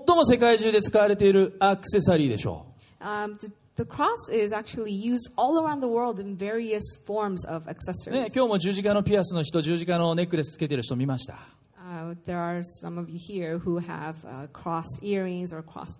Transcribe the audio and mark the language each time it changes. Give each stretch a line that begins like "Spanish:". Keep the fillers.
Japanese: 最も世界中で使われているアクセサリーでしょう。
English: Um, the, the cross is actually used all around the world in various forms of accessories.
Japanese: ね、今日も十字架のピアスの人、十字架のネックレスつけてる人見ました。
English: there are some of you here who have cross earrings or cross